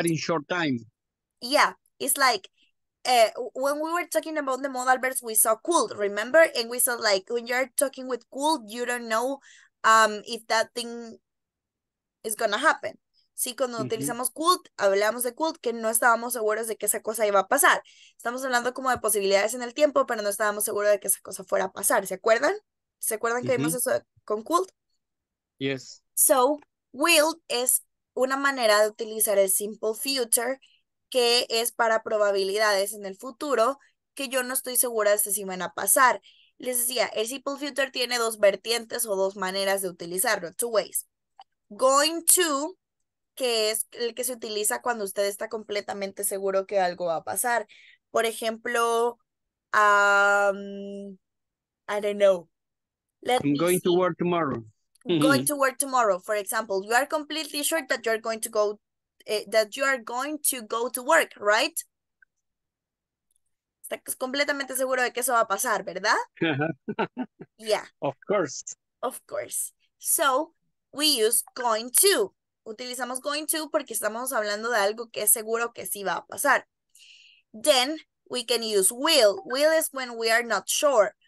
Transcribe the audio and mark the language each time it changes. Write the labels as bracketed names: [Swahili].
[English] Not in short time. Yeah, it's like when we were talking about the modal verbs, we saw could, remember? And we saw like when you're talking with could, you don't know if that thing is going to happen. [Spanish] Sí, cuando utilizamos could, hablamos de could, que no estábamos seguros de que esa cosa iba a pasar. Estamos hablando como de posibilidades en el tiempo, pero no estábamos seguros de que esa cosa fuera a pasar. ¿Se acuerdan? ¿Se acuerdan que vimos eso con could? [English] Yes. [Spanish] So, will es una manera de utilizar el simple future, que es para probabilidades en el futuro, que yo no estoy segura de si van a pasar. Les decía, el simple future tiene dos vertientes o dos maneras de utilizarlo. [English] Two ways. [Spanish] Going to, que es el que se utiliza cuando usted está completamente seguro que algo va a pasar. Por ejemplo, [English] I don't know. Let I'm me going see. To work tomorrow. Going to work tomorrow, for example. You are completely sure that you're going to go, that you are going to go to work, right? [Spanish] Estás completamente seguro de que eso va a pasar, ¿verdad? [English] Yeah. Of course. Of course. So, we use going to. [Spanish] Utilizamos going to porque estamos hablando de algo que es seguro que sí va a pasar. [English] Then, we can use will. Will is when we are not sure.